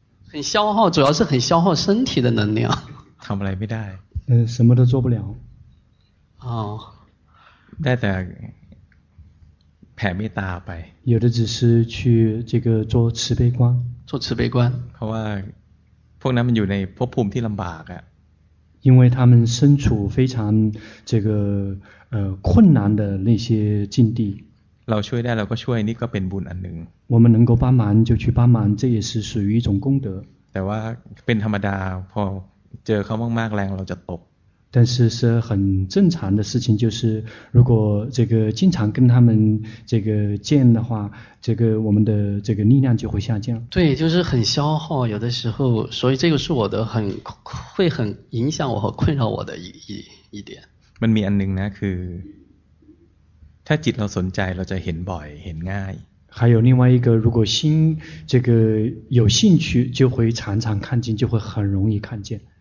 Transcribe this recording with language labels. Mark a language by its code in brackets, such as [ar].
[zh] 很消耗，主要是很消耗身体的能量。 [th] ทำอะไรไม่ได้ [zh] 嗯，什么都做不了。哦。 [th] ได้แต่แผ่เมตตาไป。 [zh] 有的只是去这个做慈悲观。做慈悲观。 [th] เพราะว่าพวกนั้นมันอยู่ในภพภูมิที่ลำบากอ่ะ。 [zh] 因为他们身处非常这个困难的那些境地。 [th] เราช่วยได้เราก็ช่วยนี่ก็เป็นบุญอันหนึ่ง [zh] 我们能够帮忙就去帮忙这也是属于一种功德 [th] แต่ว่าเป็นธรรมดาพอเจอเขามากๆแรงเราจะตก [zh] 但是是很正常的事情就是如果这个经常跟他们这个见的话这个我们的这个力量就会下降对就是很消耗有的时候所以这个是我的很会很影响我和困扰我的一点 [th] มันมีอันหนึ่งนะคือถ้าจิตเราสนใจเราจะเห็นบ่อยเห็นง่าย [zh] 还有另外一个如果心这个有兴趣就会常常看见就会很容易看见